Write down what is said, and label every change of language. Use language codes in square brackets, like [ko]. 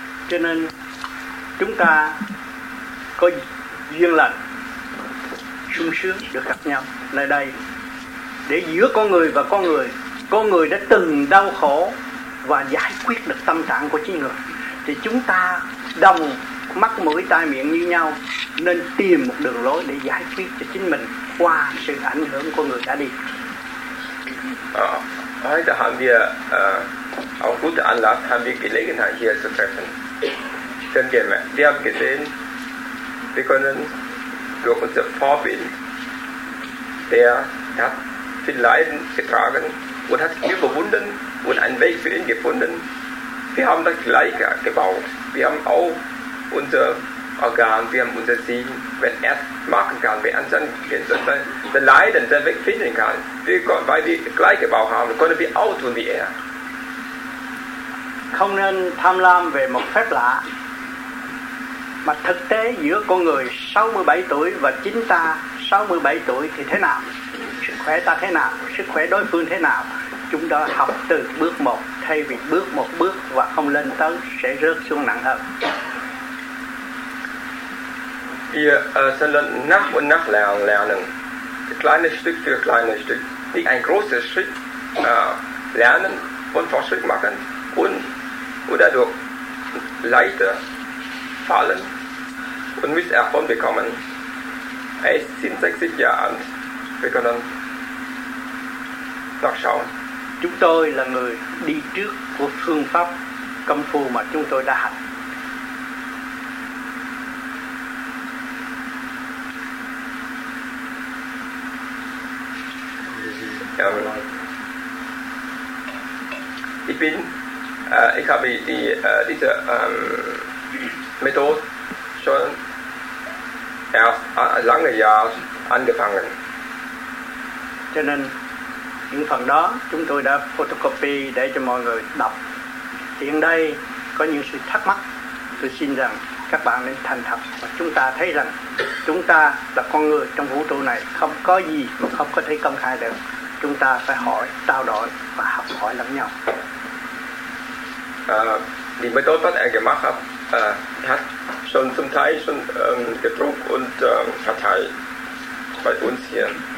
[vi] Cho nên chúng ta có duyên lành sung sướng được gặp nhau nơi đây, để giữa con người và con người đã từng đau khổ và giải quyết được tâm trạng của chính người, thì chúng ta đồng mắt mũi tai miệng như nhau nên tìm một đường lối để giải quyết cho chính mình qua sự ảnh hưởng của người đã đi. [de] Heute haben wir auf gute Anlass haben wir Gelegenheit hier zu treffen. Denn wir haben gesehen, wir können durch unser Vorbild, der hat viel Leiden getragen und hat überwunden und einen Weg für ihn gefunden. Wir haben das Gleiche gebaut. Wir haben auch unser Organ, wir haben unser Sehen, wenn er machen kann, wenn er sein Leiden, sein Weg finden kann. Weil wir das Gleiche gebaut haben, können wir auch tun wie er. [vi] Không nên tham lam về một phép lạ. Mà thực tế giữa con người 67 tuổi và chính ta 67 tuổi thì thế nào? Sức khỏe ta thế nào? Sức khỏe đối phương thế nào? Chúng ta học từ bước một, thay vì bước một bước và không lên tới sẽ rớt xuống nặng hơn. [de] Wir sollen nach und nach lernen. Kleines Stück für kleines Stück. Nicht ein großes Schritt lernen und Fortschritt machen. Und dadurch leichter fallen und Misserfolg bekommen. Er ist 67 Jahre alt. Wir können nachschauen. [vi] Chúng tôi là người đi trước của phương pháp công phu mà chúng tôi đã học. [de] Ich bin, ich habe diese Methode schon erst lange Jahre angefangen. [vi] Cho nên những phần đó chúng tôi đã photocopy để cho mọi người đọc. Hiện đây có những sự thắc mắc, tôi xin rằng các bạn nên thành thật và chúng ta thấy rằng chúng ta là con người trong vũ trụ này, không có gì mà không có thể công khai được. Chúng ta phải hỏi, trao đổi và học hỏi lẫn nhau. [de] Die Methode, was er gemacht hat, hat schon zum Teil schon gedruckt und verteilt bei uns hier.